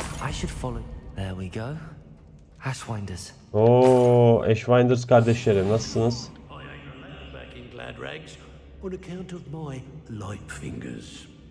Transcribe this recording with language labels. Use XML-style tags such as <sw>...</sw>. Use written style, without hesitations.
<en>I should follow. There we go. Ashwinders.</en> <tr>Ashwinders kardeşlerim, nasılsınız?</tr> <en>On account of my light fingers.</en>